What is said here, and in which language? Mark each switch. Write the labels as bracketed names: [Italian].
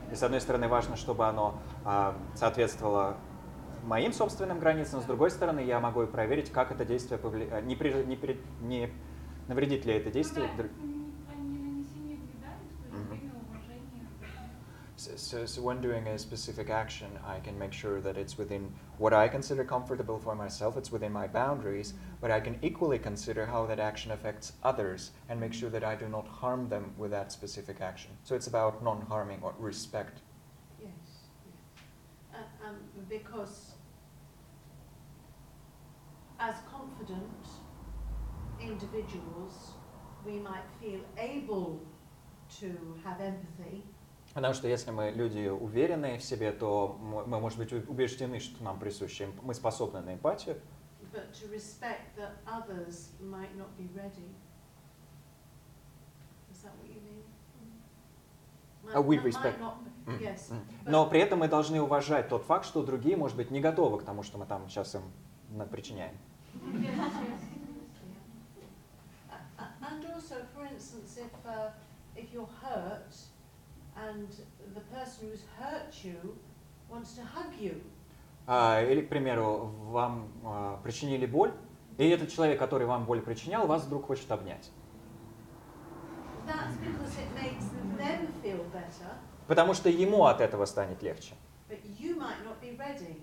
[Russian] И, с одной стороны, важно, чтобы оно соответствовало моим собственным границам, с другой стороны, я могу и проверить, как это действие повлияет, не навредит ли это действие. Ну, да, не нанесение вреда, [English] when doing a specific action, I can make sure that it's within what I consider comfortable for myself, it's within my boundaries, but I can equally consider how that action affects others and make sure that I do not harm them with that specific action. So it's about non-harming or respect. Yes, yes. Because as confident individuals, we might feel able to have empathy. [Russian] Потому что если мы люди уверенные в себе, то мы, может быть, убеждены, что нам присущи, мы способны на эмпатию. [English] But to respect that others might not be ready. Is that what you mean? Might, we respect. Not, yes. [Russian] Но при этом мы должны уважать тот факт, что другие, может быть, не готовы к тому, что мы там сейчас им причиняем. [English] Yes, yes. And also, for instance, if you're hurt, and the person who's hurt you wants to hug you. [Russian] Или, к примеру, вам причинили боль, и этот человек, который вам боль причинял, вас вдруг хочет обнять. [English] That's because it makes them feel better. [Russian] Потому что ему от этого станет легче. [English] But you might not be ready.